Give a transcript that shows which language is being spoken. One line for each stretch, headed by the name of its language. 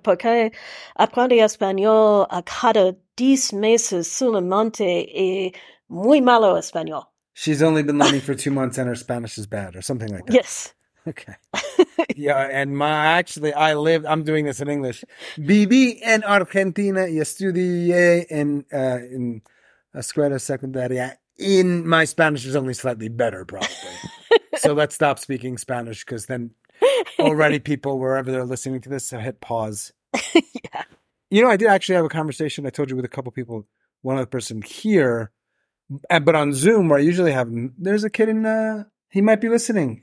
Spanish: Porque aprendí español a cada 10 meses solamente y muy malo español.
English: She's only been learning for 2 months and her Spanish is bad or something like that. Yes. Okay. Yeah, and I'm doing this in English.
Spanish: Viví en Argentina y estudié en escuela secundaria.
English: My Spanish is only slightly better, probably. So let's stop speaking Spanish because then already people, wherever they're listening to this, have hit pause. Yeah. You know, I did actually have a conversation, I told you, with a couple people, one other person here. But on Zoom, where I usually have, there's a kid he might be listening.